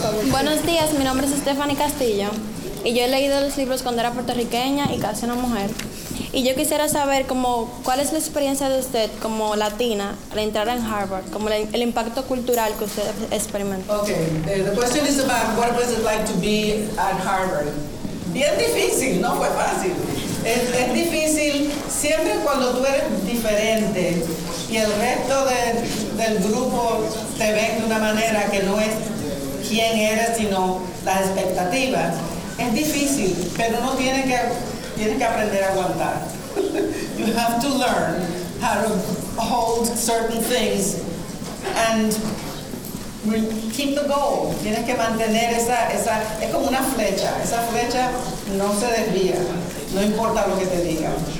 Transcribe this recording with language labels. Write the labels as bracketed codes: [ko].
[es] Buenos días, mi nombre es Stephanie Castillo y yo he leído los libros cuando era puertorriqueña y casi una mujer. Y yo quisiera saber como, cuál es la experiencia de usted como latina al entrar en Harvard, como el impacto cultural que usted experimentó. [en] Okay, the question is about what was it like to be at Harvard. [es] Bien difícil, no fue fácil. Es difícil siempre cuando tú eres diferente y el resto del grupo te ve de una manera que no es quién eres, sino las expectativas. Es difícil, pero uno tiene que aprender a aguantar. [en] You have to learn how to hold certain things and keep the goal. [es] Tienes que mantener esa es como una flecha. Esa flecha no se desvía, no importa lo que te digan.